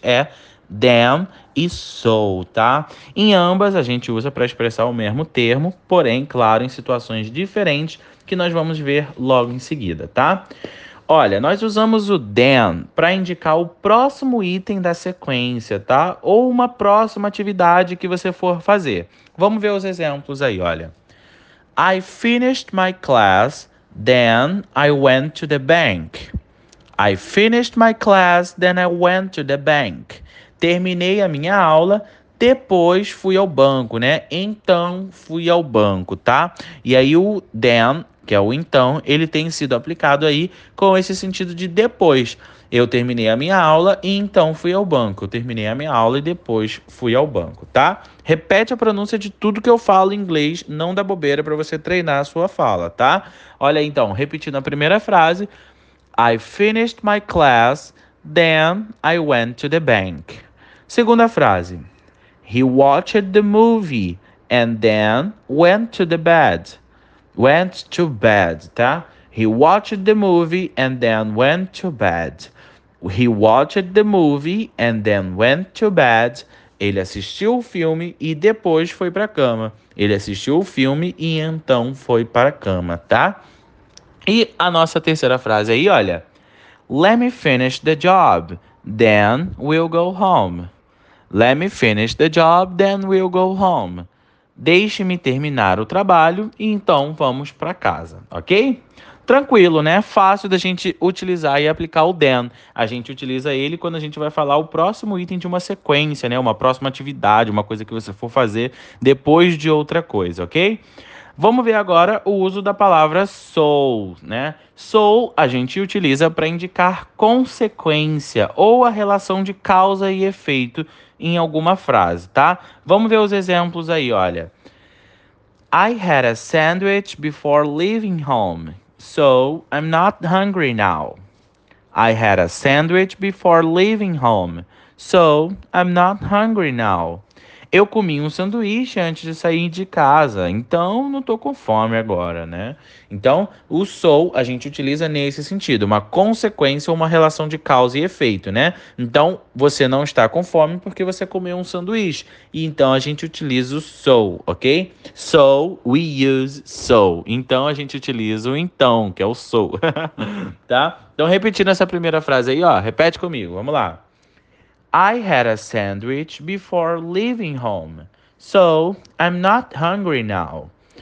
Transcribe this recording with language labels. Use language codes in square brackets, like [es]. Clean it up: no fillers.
[pt] É than e so, tá? Em ambas a gente usa para expressar o mesmo termo, porém, claro, em situações diferentes que nós vamos ver logo em seguida, tá? Olha, nós usamos o than para indicar o próximo item da sequência, tá? Ou uma próxima atividade que você for fazer. Vamos ver os exemplos aí, olha. [en] I finished my class, then I went to the bank. I finished my class, then I went to the bank. [pt] Terminei a minha aula, depois fui ao banco, né? Então fui ao banco, tá? E aí o than, que é o então, ele tem sido aplicado aí com esse sentido de depois. Eu terminei a minha aula e então fui ao banco. Eu terminei a minha aula e depois fui ao banco, tá? Repete a pronúncia de tudo que eu falo em inglês, não dá bobeira para você treinar a sua fala, tá? Olha então, repetindo a primeira frase: [en] I finished my class, then I went to the bank. [pt] Segunda frase: [en] He watched the movie and then went to the bed. Went to bed, tá? He watched the movie and then went to bed. He watched the movie and then went to bed. [pt] Ele assistiu o filme e depois foi para a cama. Ele assistiu o filme e então foi para a cama, tá? E a nossa terceira frase aí, olha. [en] Let me finish the job, then we'll go home. Let me finish the job, then we'll go home. [pt] Deixe-me terminar o trabalho e então vamos para casa, ok? Tranquilo, né? Fácil da gente utilizar e aplicar o than. A gente utiliza ele quando a gente vai falar o próximo item de uma sequência, né? Uma próxima atividade, uma coisa que você for fazer depois de outra coisa, ok? Vamos ver agora o uso da palavra so, né? So a gente utiliza para indicar consequência ou a relação de causa e efeito em alguma frase, tá? Vamos ver os exemplos aí, olha. [en] I had a sandwich before leaving home, so I'm not hungry now. I had a sandwich before leaving home, so I'm not hungry now. [pt] Eu comi um sanduíche antes de sair de casa, então não tô com fome agora, né? Então, o so a gente utiliza nesse sentido, uma consequência ou uma relação de causa e efeito, né? Então, você não está com fome porque você comeu um sanduíche. E então, a gente utiliza o so, ok? [en] So, we use so. [pt] Então, a gente utiliza o então, que é o so, tá? Então, repetindo essa primeira frase aí, ó, repete comigo, vamos lá. [en] I had a sandwich before leaving home, so I'm not hungry now.